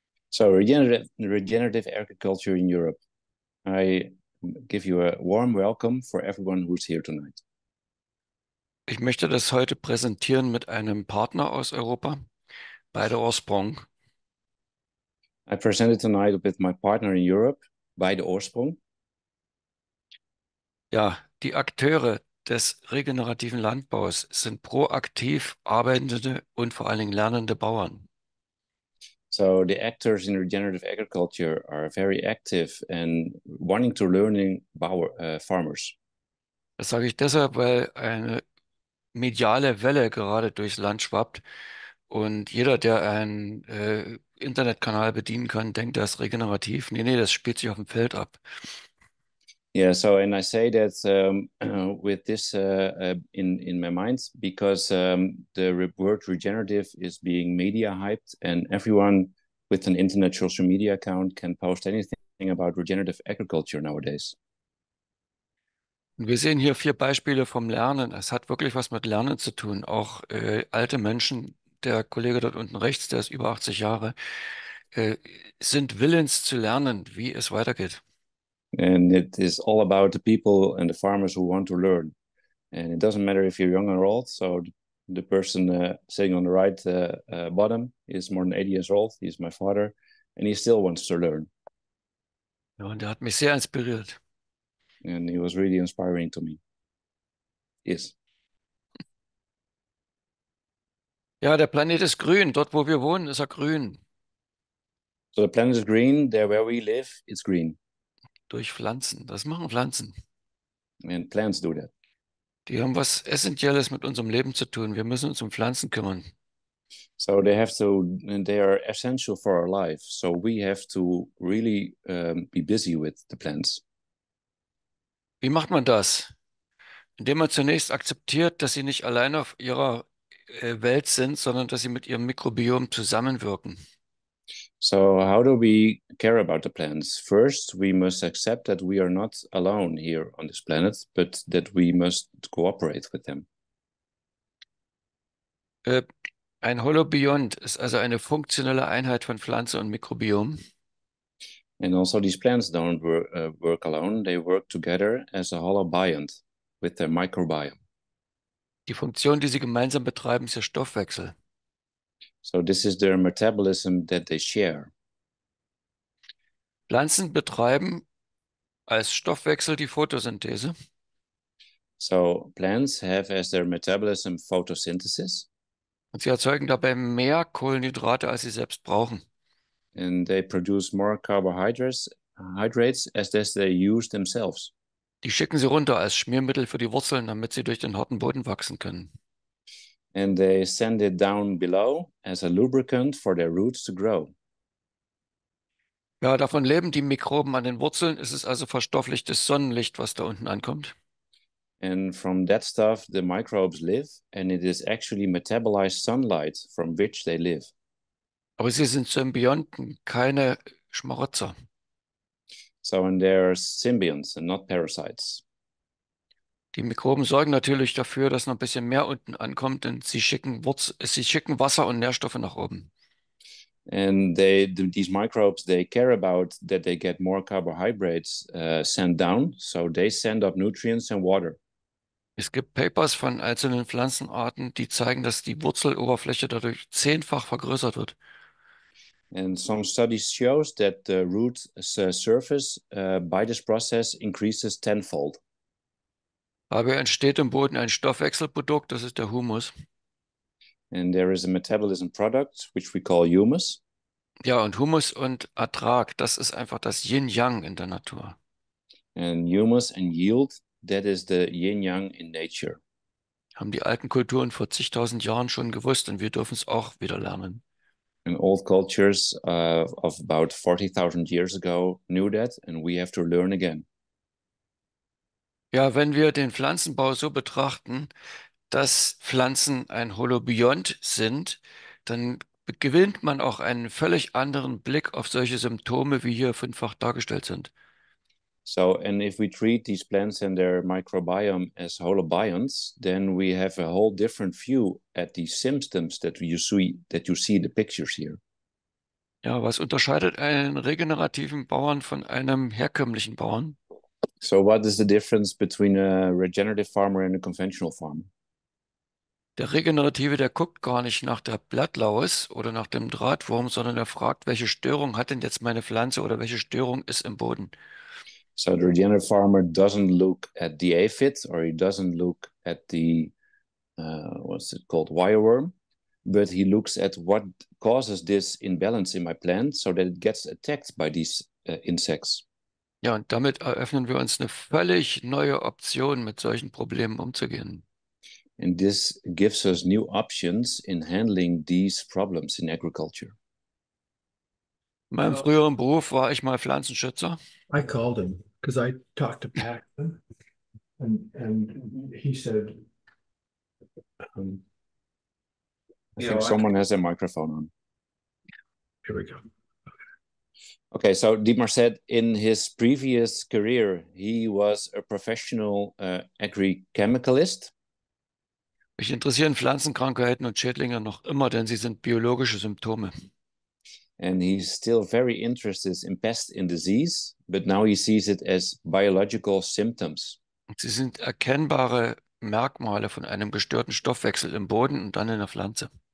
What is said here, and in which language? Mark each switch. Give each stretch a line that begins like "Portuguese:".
English: So, regenerative agriculture in Europe. I give you a warm welcome for everyone who's here tonight.
German: Ich möchte das heute präsentieren mit einem Partner aus Europa, beide Ursprung.
English: I presented tonight with my partner in Europe,
German: beide Ursprung. Ja, die Akteure des regenerativen Landbaus sind proaktiv arbeitende und vor allen Dingen lernende Bauern.
English: So the actors in regenerative agriculture are very active and wanting to learning farmers.
German: Das sage ich deshalb, weil eine mediale Welle gerade durchs Land schwappt und jeder, der einen Internetkanal bedienen kann, denkt, das ist regenerativ. Nee, das spielt sich auf dem Feld ab.
English: Yeah, so and I say that with this in my mind, because the re word regenerative is being media hyped, and everyone with an internet social media account can post anything about regenerative agriculture nowadays.
German: Wir sehen hier vier Beispiele vom Lernen. Es hat wirklich was mit Lernen zu tun. Auch alte Menschen, der Kollege dort unten rechts, der ist über 80 Jahre, sind willens zu lernen, wie es weitergeht.
English: And it is all about the people and the farmers who want to learn. And it doesn't matter if you're young or old. So the person sitting on the right bottom is more than 80 years old. He's my father, and he still wants to learn.
German: Ja, und er hat mich sehr inspiriert.
English: And he was really inspiring to me. Yes.
German: Ja, der Planet ist grün. Dort, wo wir wohnen, ist er grün.
English: So the planet is green. There where we live, it's green.
German: Durch Pflanzen. Das machen Pflanzen.
English: And plants do that.
German: Die haben was Essentielles mit unserem Leben zu tun. Wir müssen uns um Pflanzen kümmern.
English: So they have to, and they are essential for our life. So we have to really be busy with the plants.
German: Wie macht man das? Indem man zunächst akzeptiert, dass sie nicht allein auf ihrer Welt sind, sondern dass sie mit ihrem Mikrobiom zusammenwirken.
English: So how do we care about the plants? First, we must accept that we are not alone here on this planet, but that we must cooperate with them.
German: Ein Holobiont ist also eine funktionelle Einheit von Pflanze und Mikrobiom.
English: And also these plants don't work alone. They work together as a holobiont with their microbiome.
German: Die Funktion, die sie gemeinsam betreiben, ist der Stoffwechsel.
English: So this is their metabolism that they share.
German: Pflanzen betreiben als Stoffwechsel die Photosynthese.
English: So plants have as their metabolism photosynthesis.
German: Und sie erzeugen dabei mehr Kohlenhydrate, als sie selbst brauchen.
English: And they produce more carbohydrates as they use themselves.
German: Die schicken sie runter als Schmiermittel für die Wurzeln, damit sie durch den harten Boden wachsen können.
English: And they send it down below as a lubricant for their roots to grow.
German: Ja, davon leben die Mikroben an den Wurzeln. Es ist also verstofflichtes Sonnenlicht, was da unten ankommt.
English: And from that stuff the microbes live, and it is actually metabolized sunlight from which they live.
German: Aber sie sind Symbionten, keine Schmarotzer.
English: So and they are symbionts and not parasites.
German: Die Mikroben sorgen natürlich dafür, dass noch ein bisschen mehr unten ankommt, denn sie schicken Wasser und Nährstoffe nach oben.
English: And these microbes, they care about that they get more carbohydrates sent down, so they send up nutrients and water.
German: Es gibt Papers von einzelnen Pflanzenarten, die zeigen, dass die Wurzeloberfläche dadurch zehnfach vergrößert wird.
English: And some studies shows that the root surface by this process increases tenfold.
German: Dabei entsteht im Boden ein Stoffwechselprodukt, das ist der Humus.
English: And there is a metabolism product, which we call humus.
German: Ja, und Humus und Ertrag, das ist einfach das Yin-Yang in der Natur.
English: And humus and yield, that is the yin-yang in nature.
German: Haben die alten Kulturen vor zigtausend Jahren schon gewusst und wir dürfen es auch wieder lernen.
English: And old cultures of about 40,000 years ago knew that and we have to learn again.
German: Ja, wenn wir den Pflanzenbau so betrachten, dass Pflanzen ein Holobiont sind, dann gewinnt man auch einen völlig anderen Blick auf solche Symptome, wie hier fünffach dargestellt sind.
English: So, and if we treat these plants and their microbiome as holobionts, then we have a whole different view at the symptoms that you see in the pictures here.
German: Ja, was unterscheidet einen regenerativen Bauern von einem herkömmlichen Bauern?
English: So, what is the difference between a regenerative farmer and a conventional farmer?
German: Der Regenerative, der guckt gar nicht nach der Blattlaus oder nach dem Drahtwurm, sondern er fragt, welche Störung hat denn jetzt meine Pflanze oder welche Störung ist im Boden?
English: So the regenerative farmer doesn't look at the aphids or he doesn't look at the, what's it called, wireworm, but he looks at what causes this imbalance in my plant so that it gets attacked by these insects.
German: Ja, und damit eröffnen wir uns eine völlig neue Option, mit solchen Problemen umzugehen.
English: And this gives us new options in handling these problems in agriculture.
German: In meinem früheren Beruf war ich mal Pflanzenschützer.
English: I called him because I talked to Paxton and he said someone has a microphone on. Here we go. Okay, so Dietmar said in his previous career he was a professional agrichemicalist.
German: Mich interessieren Pflanzenkrankheiten und Schädlinge noch immer, denn sie sind biologische Symptome.
English: And he's still very interested in pests and disease, but now he sees it as biological symptoms.
German: Sie sind erkennbare Merkmale von einem gestörten Stoffwechsel im Boden und dann in der Pflanze.